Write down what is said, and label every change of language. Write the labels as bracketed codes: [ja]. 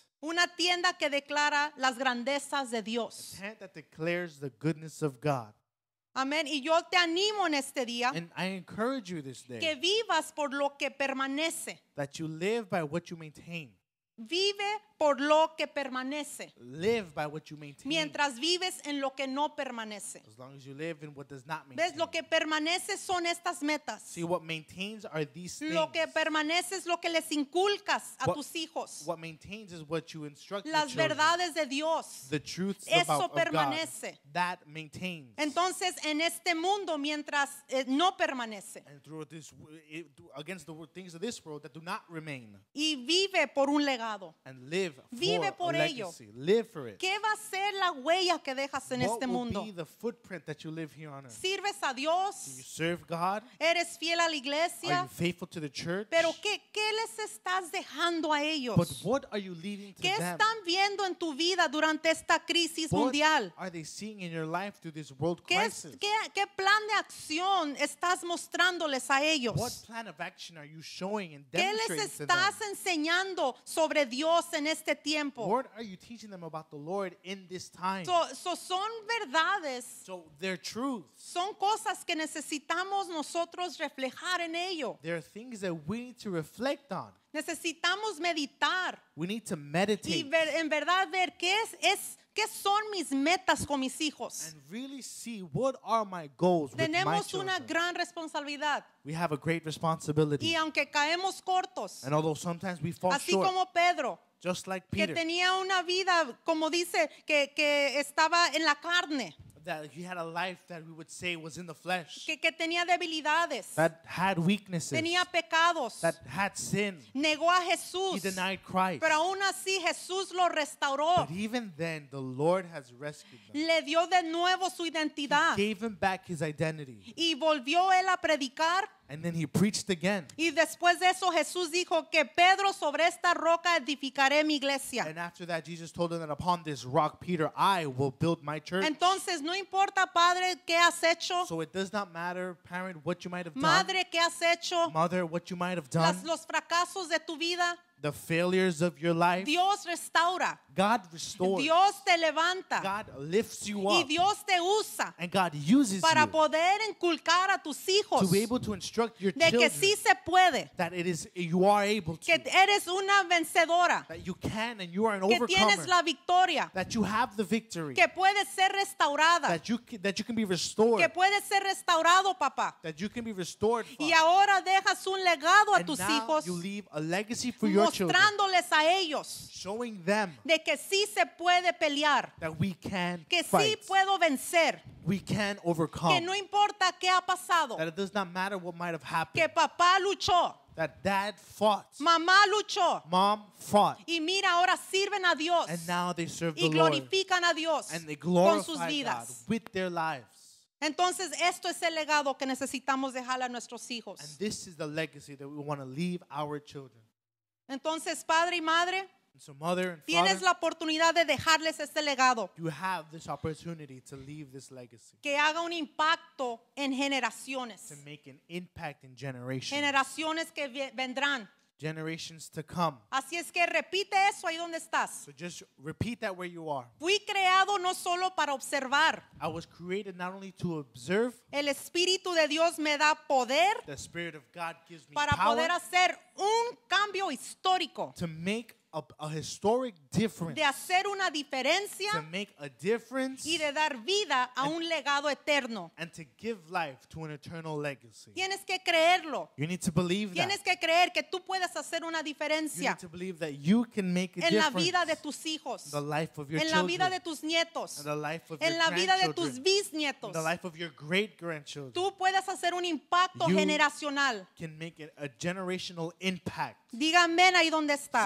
[es] Una tienda que declara las grandezas de Dios. [en] A tent that declares the goodness of God. [es] Amén. Y yo te animo en este día [en] day, [es] que vivas por lo que permanece. [en] That you live by what you maintain. [es] Vive por lo que permanece. [en] Live by what you maintain. [es] Mientras vives en lo que no permanece. [en] As long as you live in what does not maintain. [es] Ves, lo que permanece son estas metas. [en] See, what maintains are these things. [es] Lo que permanece es lo que les inculcas a tus hijos. [en] What maintains is what you instruct [es] las verdades de Dios. [en] The truths [es] eso [en] about, [es] permanece. [en] Of God. That maintains. [es] Entonces, en este mundo, mientras no permanece. [en] And through this, against the things of this world that do not remain. [es] Y vive por un legado. [en] And live for [es] vive por [en] a legacy. [es] Ello. [en] Live for it. [es] ¿Qué va a ser la huella que dejas en [en] what [es] este mundo? [en] Will be the footprint that you live here on earth? [es] ¿Sirves a Dios? [en] Do you serve God? [es] ¿Eres fiel a la iglesia? [en] Are you faithful to the church? [es] ¿Pero qué les estás dejando a ellos? [en] But what are you leaving to [es] ¿qué [en] them? [es] Están viendo en tu vida durante esta crisis [en] what [es] mundial? [en] Are they seeing in your life through this world [es] ¿qué [en] crisis? [es] ¿Qué plan de acción estás mostrándoles a ellos? [en] What plan of action are you showing and demonstrating [es] ¿qué les estás enseñando sobre Dios en este tiempo? [en] What are you teaching them about the Lord in this time? [es] So son verdades. [en] So they're truths. [es] Son cosas que necesitamos nosotros reflejar en ello. [en] There are things that we need to reflect on. [es] Necesitamos meditar. [en] We need to meditate. [es] Y ver, en verdad ver qué son mis metas con mis hijos. [en] And really see what are my goals with my children. [es] Tenemos una gran responsabilidad. [en] We have a great responsibility. [es] Y aunque caemos cortos. [en] And although sometimes we fall [es] así [en] short. [es] Así como Pedro. [en] Just like Peter. [es] Que tenía una vida, como dice, que estaba en la carne. [en] That he had a life that we would say was in the flesh. [es] Que tenía debilidades. [en] That had weaknesses. [es] Tenía pecados. [en] That had sin. [es] Negó a Jesús. [en] He denied Christ. [es] Pero aún así Jesús lo restauró. [en] But even then, the Lord has rescued them. [es] Le dio de nuevo su identidad. [en] He gave him back his identity. [es] Y volvió él a predicar. [en] And then he preached again. [es] Y después de eso Jesús dijo que Pedro sobre esta roca edificaré mi iglesia. [en] And after that Jesus told him that upon this rock Peter I will build my church. [es] Entonces no importa padre qué has hecho. [en] So it does not matter parent what you might have done. [es] Madre qué has hecho. [en] Mother what you might have done. [es] Los fracasos de tu vida. [en] The failures of your life. [es] Dios restaura. [en] God restores. [es] Dios te levanta. [en] God lifts you up. [es] Y Dios te usa. [en] And God uses you. [es] Para poder inculcar a tus hijos. [en] To be able to instruct your [es] de [en] children. [es] De que sí se puede. [en] That it is, you are able to. [es] Que eres una vencedora. [en] That you can and you are an [es] que [en] overcomer. [es] Que tienes la victoria. [en] That you have the victory. [es] Que puedes ser restaurada. [en] That you can be restored. [es] Que puedes ser restaurado, papá. [en] That you can be restored, Father. [es] Y ahora dejas un legado a tus hijos. [en] And now you leave a legacy for your [es] mostrándoles [en] children. [es] A ellos. [en] Showing them. [es] De que sí se puede pelear. [en] That we can [es] que [en] fight. [es] Sí puedo vencer. [en] We can overcome. [es] Que no importa qué ha pasado. [en] That it does not matter what might have happened. [es] Que papá luchó. [en] That dad fought. [es] Mamá luchó. [en] Mom fought. [es] Y mira, ahora sirven a Dios. [en] And now they serve [es] y glorifican [en] the Lord. [es] A Dios. [en] And they glorify [es] con sus vidas. [en] God with their lives. [es] Entonces, esto es el legado que necesitamos dejar a nuestros hijos. [en] And this is the legacy that we want to leave our children. [es] Entonces, padre y madre, [en] so mother and father, [es] tienes la oportunidad de dejarles este legado. [en] You have this opportunity to leave this legacy. [es] Que haga un impacto en generaciones. [en] To make an impact in generations. [es] Generaciones que vendrán. [en] Generations to come. [es] Así es que repite eso ahí donde estás. [en] So just repeat that where you are. [es] Fui creado no solo para observar. [en] I was created not only to observe. [es] El Espíritu de Dios me da poder. [en] The Spirit of God gives me [es] para [en] power. [es] Para poder hacer un cambio histórico. [en] To make a historic difference. [es] De hacer una diferencia. [en] To make a difference. [es] Y de dar vida a un legado eterno. [en] And to give life to an eternal legacy. [es] Tienes que creerlo. [en] You need to believe [es] tienes [en] that. [es] Que creer que tú puedes hacer una diferencia. [en] You need to believe that you can make a [es] en [en] difference. [es] En la vida de tus hijos. [en] The life of your [es] en [en] children. [es] En la vida de tus nietos. [en] And the life of [es] en [en] your [es] la vida de tus bisnietos. [en] The life of your great grandchildren. [es] Tú puedes hacer un impacto [en] you [es] generacional. [en] Can make a generational impact. [es] Diga amén ahí donde está.